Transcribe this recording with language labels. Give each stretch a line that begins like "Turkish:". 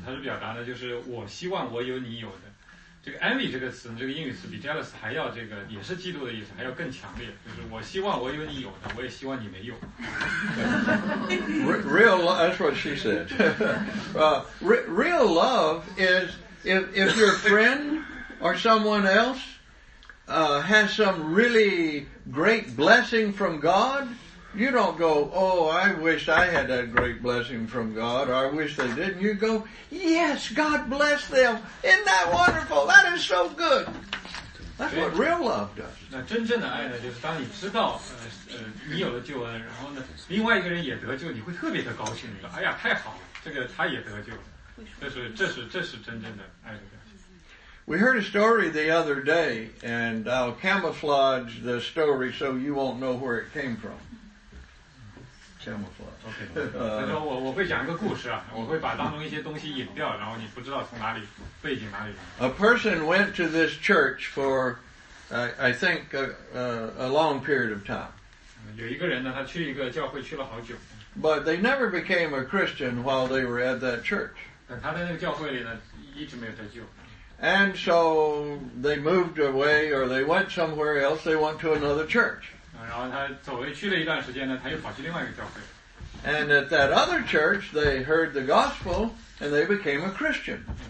Chinese: 他是表达的就是我希望我有你有的。这个 envy 这个词，这个英语词比 jealous 还要这个，也是嫉妒的意思，还要更强烈。就是我希望我有你有的，我也希望你没有。
English: Real love, that's what she said. Real love is if your friend or someone else has some really great blessing from God, you don't go, oh, I wish I had that great blessing from God, or I wish they didn't. You go, yes, God bless them. Isn't that wonderful? That is so good. That's what real love does.
Chinese: 那真正的爱呢，就是当你知道，你有了救恩，然后呢，另外一个人也得救，你会特别的高兴，你说，哎呀，太好了，这个他也得救了，这是真正的爱的。
English: We heard a story the other day, and I'll camouflage the story so you won't know where it came from. Camouflage. Okay.
Chinese: 我会讲一个故事啊，我会把当中一些东西引掉，然后你不知道从哪里背景哪里。
English: A person went to this church for, I think, a long period of time.
Chinese: 有一个人呢，他去一个教会去了好久。
English: But they never became a Christian while they were at that church.
Chinese: 但他在那个教会里呢，一直没有得救。
English: And so they moved away, or they went somewhere else, they went to another church. And at that other church, they heard the gospel, and they became a Christian.